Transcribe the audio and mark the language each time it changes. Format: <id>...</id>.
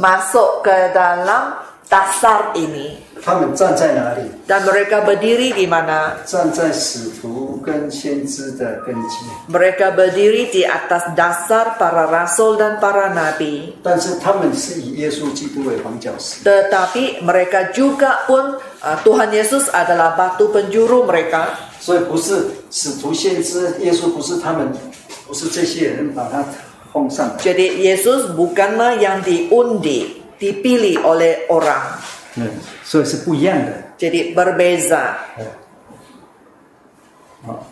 <ms>Masuk ke dalam。 Dasar ini.</ms> <zh>他们站在哪里？</zh> <ms>Dan mereka berdiri di mana?</ms> <zh>站在使徒跟先知的根基。</zh> <ms>Mereka berdiri di atas dasar para rasul dan para nabi.</ms> <zh>但是他们是以耶稣基督为房角石。</zh> <ms>Tetapi mereka juga pun Tuhan Yesus adalah batu penjuru mereka.</ms> <zh>所以不是使徒先知耶稣不是他们不是这些人把他奉上。</zh> <ms>Jadi Yesus bukanlah yang diundi. Dipilih oleh orang. So, itu berbeza. Jadi berbeza. Oh, kalau dari masyarakat berkata,</ms>